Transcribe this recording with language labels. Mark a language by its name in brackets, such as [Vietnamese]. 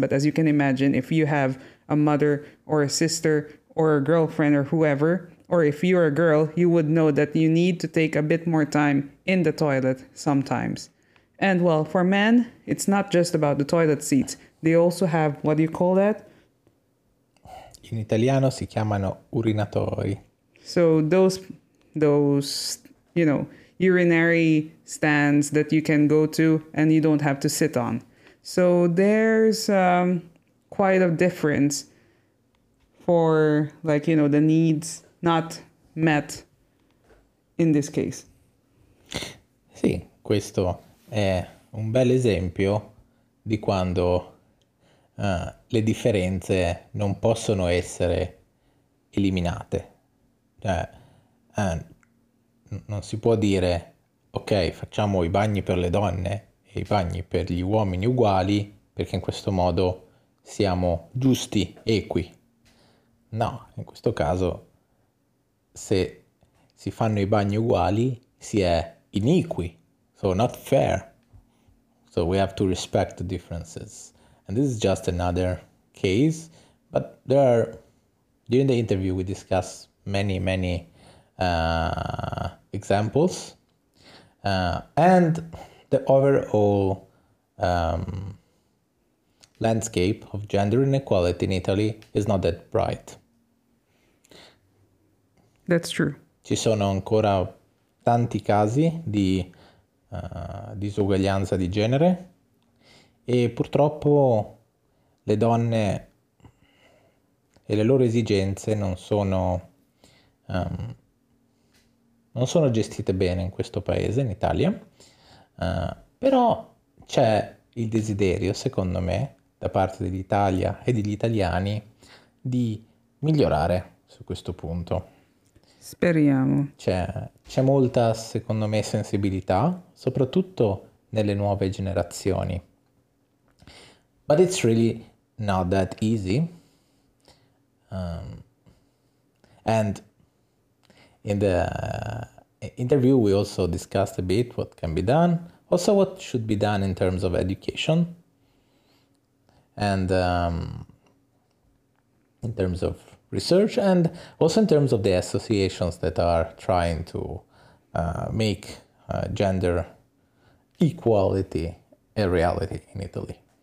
[English] But as you can imagine, if you have a mother or a sister or a girlfriend or whoever, or if you're a girl, you would know that you need to take a bit more time in the toilet sometimes. And well, for men, it's not just about the toilet seats. They also have, what do you call that? [Italian] In Italiano si chiamano urinatori. [English] So those, you know, urinary stands that you can go to and you don't have to sit on. So there's quite a difference for, like, you know, the needs not met in this case. [Italian] Sì, questo è un bel esempio di quando le differenze non possono essere eliminate. Cioè, non si può dire, ok, facciamo i bagni per le donne e i bagni per gli uomini uguali, perché in questo modo siamo giusti, equi. No, in questo caso, se si fanno i bagni uguali, si è iniqui. [English] So not fair. So we have to respect the differences. And this is just another case. But there are, during the interview, we discuss many, many examples. And the overall landscape of gender inequality in Italy is not that bright. That's true. [Italian] Ci sono ancora tanti casi di disuguaglianza di genere e purtroppo le donne e le loro esigenze non sono gestite bene in questo paese, in Italia, però c'è il desiderio, secondo me, da parte dell'Italia e degli italiani di migliorare su questo punto. Speriamo. C'è molta, secondo me, sensibilità, soprattutto nelle nuove generazioni. [English] But it's really not that easy. And in the interview we also discussed a bit what can be done, also what should be done in terms of education and in terms of research, and also in terms of the associations that are trying to make gender equality a reality in Italy.